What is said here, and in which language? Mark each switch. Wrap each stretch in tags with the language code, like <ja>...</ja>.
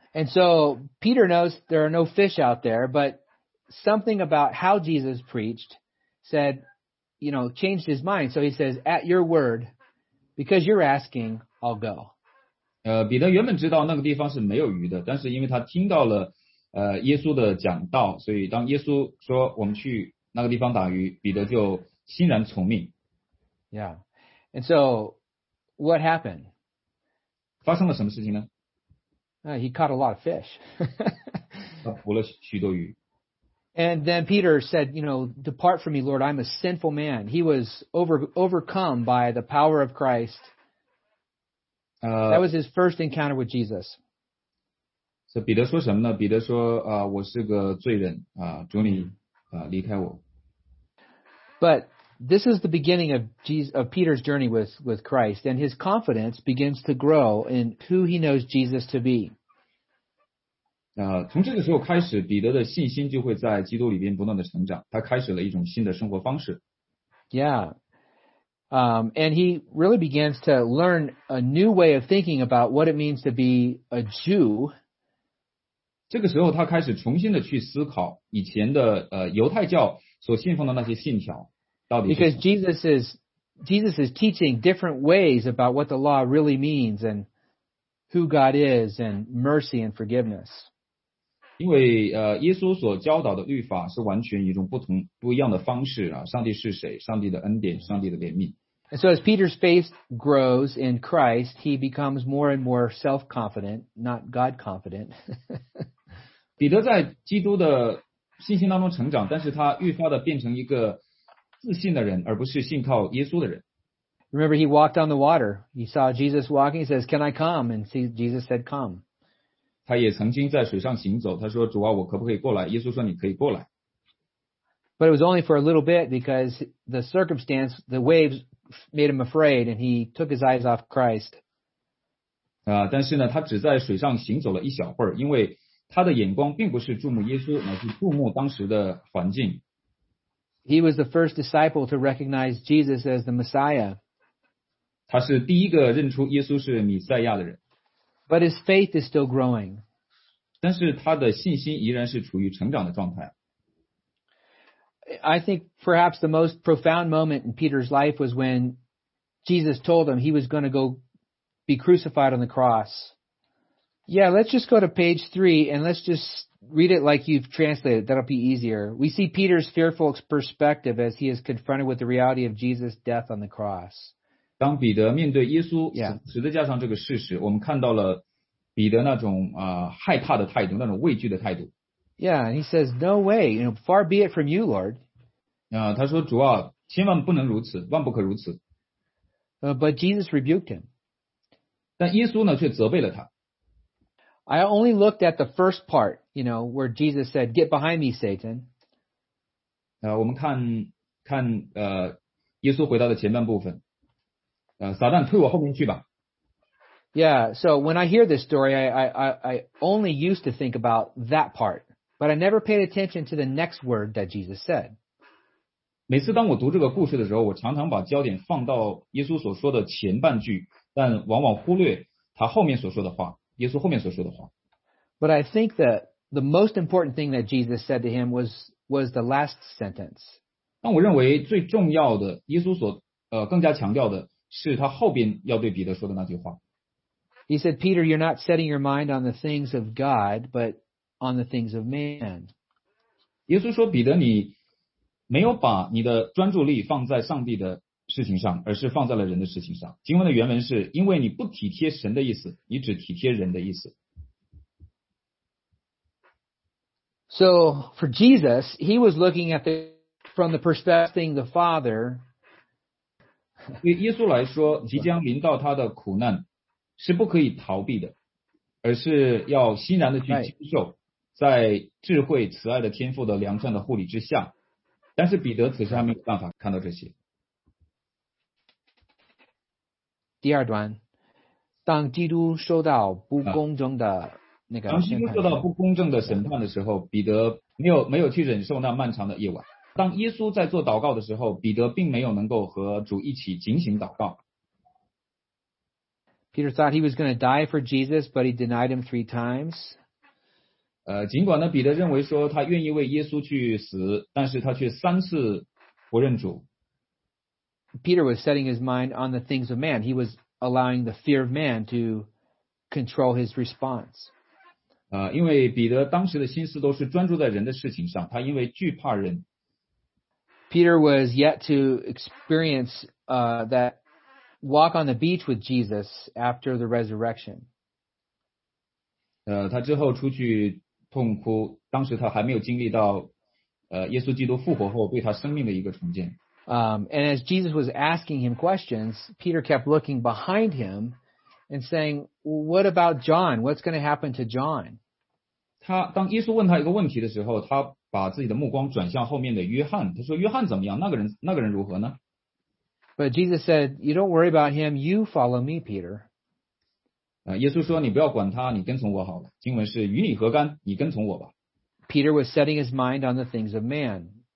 <en>And so Peter knows there are no fish out there, but something about how Jesus preached said, you know, changed his mind. So he says, at your word, because you're asking, I'll go.</en> <zh>彼得原本知道那个地方是没有鱼的，但是因为他听到了耶稣的讲道，所以当耶稣说我们去那个地方打鱼，彼得就欣然从命。</zh> <en>Yeah. And so what happened?</en> <zh>发生了什么事情呢？</zh> <en>He caught a lot of fish.</en> <zh>他捕了许多鱼。</zh> <en>And then Peter said, you know, depart from me, Lord, I'm a sinful man. He was overcome by the power of Christ. That was his first encounter with Jesus. So</en> <zh>彼得说什么呢？彼得说，我是个罪人，主你，离开我。</zh> <en>But this is the beginning of Peter's journey with Christ, and his confidence begins to grow in who he knows Jesus to be.</en> <zh>从这个时候开始，彼得的信心就会在基督里边不断的成长，他开始了一种新的生活方式。</zh> <en>Yeah. And he really begins to learn a new way of thinking about what it means to be a Jew.</en> <zh>这个时候他开始重新的去思考以前的犹太教所信奉的那些信条。</zh> <en>Because Jesus is Jesus is teaching different ways about what the law really means and who God is and mercy and forgiveness.</en> <zh>因为耶稣所教导的律法是完全一种不同不一样的方式啊，上帝是谁，上帝的恩典，上帝的怜悯。</zh> <en>And so as Peter's faith grows in Christ, he becomes more and more self-confident, not God-confident.</en> <zh>彼得在基督的信心当中成长，但是他愈发的变成一个自信的人，而不是信靠耶稣的人。</zh> <en>Remember, he walked on the water. He saw Jesus walking. He says, "Can I come?" And Jesus said, "Come."</en> <zh>他也曾经在水上行走，他说，主啊，我可不可以过来？耶稣说，你可以过来。</zh> <en>But it was only for a little bit because the circumstance, the waves made him afraid and he took his eyes off Christ.</en> <zh>但是呢，他只在水上行走了一小会儿，因为他的眼光并不是注目耶稣，而是注目当时的环境。</zh> <en>He was the first disciple to recognize Jesus as the Messiah.</en> <zh>他是第一个认出耶稣是弥赛亚的人。</zh> <en>But his faith is still growing.</en> <zh>但是他的信心依然是处于成长的状态。</zh> <en>I think perhaps the most profound moment in Peter's life was when Jesus told him he was going to go be crucified on the cross. Yeah, let's just go to page 3 and let's just read it like you've translated. That'll be easier. We see Peter's fearful perspective as he is confronted with the reality of Jesus' death on the cross.</en> <zh>当彼得面对耶稣十字架上这个事实，我们看到了彼得那种害怕的态度，那种畏惧的态度。</zh> <en>Yeah, and he says, no way, you know, far be it from you, Lord.</en> <zh>他说主啊，千万不能如此，万不可如此。</zh> <en>But Jesus rebuked him.</en> <zh>但耶稣呢却责备了他。</zh> <en>I only looked at the first part, you know, where Jesus said, get behind me, Satan.</en> <zh>我们看耶稣回答的前半部分。撒旦退我后面去吧。</zh> <en>Yeah, so when I hear this story, I only used to think about that part. But I never paid attention to the next word that Jesus said.</en> <zh>每次当我读这个故事的时候，我常常把焦点放到耶稣所说的前半句，但往往忽略他后面所说的话，耶稣后面所说的话。</zh> <en>But I think that the most important thing that Jesus said to him was the last sentence.</en> <zh>但我认为最重要的，耶稣所更加强调的是他后边要对彼得说的那句话。</zh> <en>He said, Peter, you're not setting your mind on the things of God, but... on the things of man.</en> <zh>耶稣说彼得你没有把你的专注力放在上帝的事情上而是放在了人的事情上。经文的原文是因为你不体贴神的意思你只体贴人的意思。</zh> <en>So for Jesus, he was looking at the, from the perspective of the Father.</en> <zh>对耶稣来说即将临到他的苦难是不可以逃避的而是要欣然的去接受。</zh> <en>Right.</en> <zh>在智慧慈爱的天父的良善的护理之下但是彼得此时还没有办法看到这些第二段当基督受到不公正的那个当基督受到不公正的审判的时候彼得没有去忍受那漫长的夜晚当耶稣在做祷告的时候彼得并没有能够和主一起警醒祷告</zh> <en>Peter thought he was going to die for Jesus but he denied him 3 times</en> <zh>尽管呢彼得认为说他愿意为耶稣去死但是他却3次不认主。</zh> <en>Peter was setting his mind on the things of man. He was allowing the fear of man to control his response.</en> <zh>因为彼得当时的心思都是专注在人的事情上他因为惧怕人。</zh> <en>Peter was yet to experience, that walk on the beach with Jesus after the resurrection.</en> <zh>他之后出去痛哭当时他还没有经历到耶稣基督复活后对他生命的一个重建。</zh> <en>And as Jesus was asking him questions, Peter kept looking behind him and saying, what about John? What's going to happen to John?</en> <zh>当耶稣问他一个问题的时候他把自己的目光转向后面的约翰他说约翰怎么样那个人如何呢</zh> <en>But Jesus said, you don't worry about him, you follow me, Peter.</en> <zh>耶稣说你不要管他你跟从我好了经文是与你何干你跟从我吧</zh> <en>Peter was setting his mind on the things of man</en>